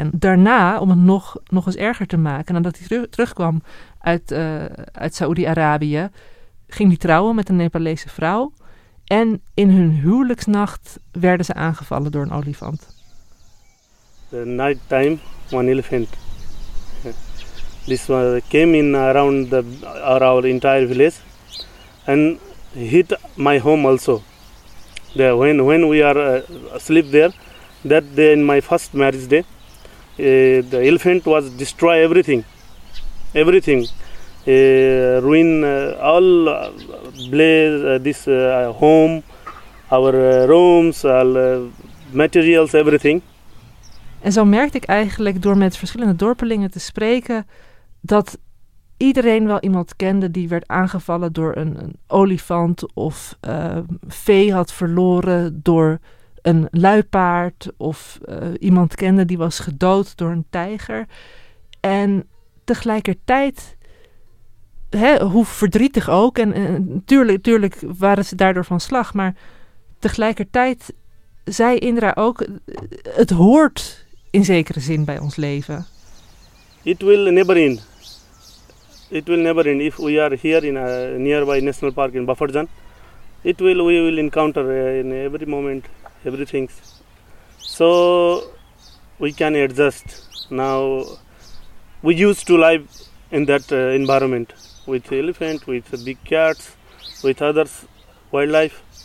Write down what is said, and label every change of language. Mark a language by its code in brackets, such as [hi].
[nl] En daarna, om het nog eens erger te maken, nadat hij terugkwam uit Saoedi-Arabië, ging hij trouwen met een Nepalese vrouw. En in hun huwelijksnacht werden ze aangevallen door een olifant. [en] The night time, one elephant. This one came in around our entire village and hit my home also. There, when we are asleep there, that day in my first marriage day, the elephant was destroy everything. Everything. Ruin all blaze this home, our rooms, all materials, everything. [nl] En zo merkte ik eigenlijk door met verschillende dorpelingen te spreken dat iedereen wel iemand kende die werd aangevallen door een olifant of vee had verloren door een luipaard of iemand kende die was gedood door een tijger. En tegelijkertijd, hè, hoe verdrietig ook, en tuurlijk waren ze daardoor van slag, maar tegelijkertijd zei Indra ook, het hoort in zekere zin bij ons leven. [en] It will never end. It will never end. If we are here in a nearby national park in Bafarjan, we will encounter in every moment everything. So we can adjust. Now we used to live in that environment with elephant, with big cats, with others, wildlife.